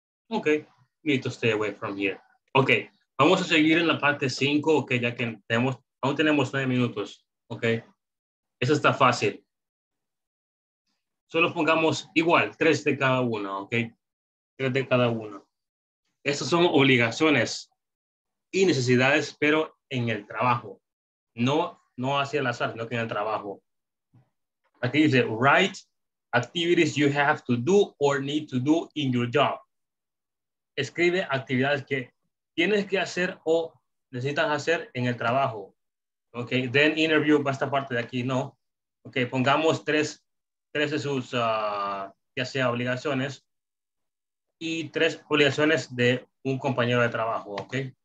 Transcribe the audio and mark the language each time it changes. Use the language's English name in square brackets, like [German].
[English] Okay, you need to stay away from here. [Spanish] Ok, vamos a seguir en la parte 5, ok, ya que tenemos, aún tenemos 9 minutos, ok. Eso está fácil. Solo pongamos igual, 3 de cada uno, ok. 3 de cada uno. Estas son obligaciones y necesidades, pero en el trabajo. No hacia el azar, sino que en el trabajo. Aquí dice, [English] write activities you have to do or need to do in your job. [Spanish] Escribe actividades que tienes que hacer o necesitas hacer en el trabajo. Ok, [English] then interview [Spanish] para esta parte de aquí, no. Ok, pongamos tres de sus, ya sea obligaciones, y tres obligaciones de un compañero de trabajo, ok.